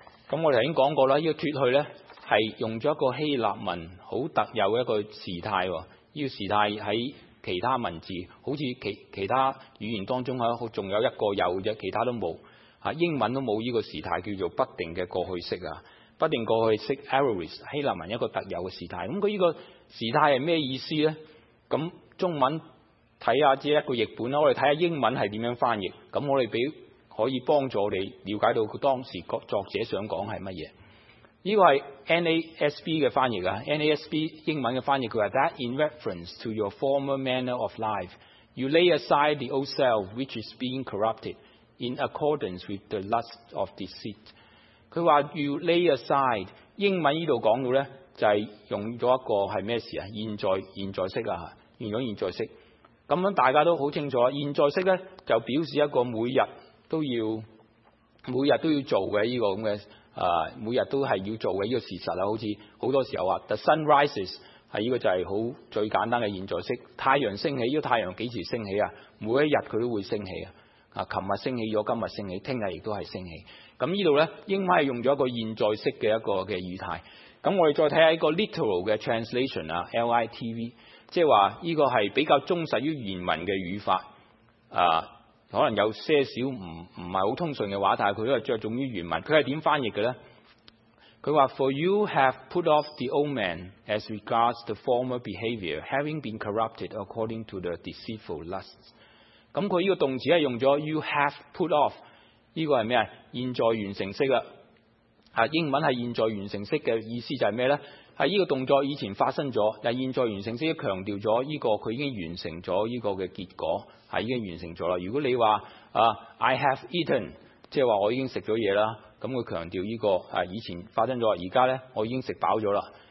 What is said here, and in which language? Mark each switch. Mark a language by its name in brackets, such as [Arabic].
[Cantonese] 咁我哋已经讲过啦，要脱去咧。是用了一个希腊文很特有的一个时态，这个时态在其他文字好像 其他语言当中还有一个有的，其他都没有，英文都没有这个时态，叫做不定的过去式，不定过去式 Aorist， 希腊文一个特有的时态。那这个时态是什么意思呢？那中文看看只是一个译本，我们看看英文是怎样翻译，那我们可以帮助我们了解到当时作者想讲是什么。这个是 NASB 的翻译， NASB 英文的翻译，它说 [English] That in reference to your former manner of life, you lay aside the old self which is being corrupted in accordance with the lust of deceit. [Cantonese] 它说 [English] you lay aside， [Cantonese] 英文这里讲到呢就是用了一个是什么事，现在式、啊、用了现在式，这样大家都很清楚，现在式就表示一个每日都要做的这个每日都是要做的一个事实，好像很多时候说 [English] The sun rises， [Cantonese] 这个就是很最简单的现在式，太阳升起，这个太阳几时升起，每一日它都会升起，昨天升起了，今天升起，明天也都是升起。这里呢英文是用了一个现在式的一个的语态。我们再看看一个 literal 的 translation， LITV， 就是说这个是比较忠实于原文的语法，可能有些少不是很通顺的话，但是他着重于原文，他是怎样翻译的呢？他说 [English] For you have put off the old man as regards the former behavior, having been corrupted according to the deceitful lusts. [Cantonese] 那他这个动词是用了 [English] you have put off， [Cantonese] 这个是什么？现在完成式，英文是现在完成式的意思就是什么呢？是这个动作以前发生了，但现在完成式强调了这个他已经完成了这个的结果，已经完成了。如果你说、 [English] I have eaten， [Cantonese] 即是说我已经吃了东西了，那他强调这个、以前发生了，现在我已经吃饱了。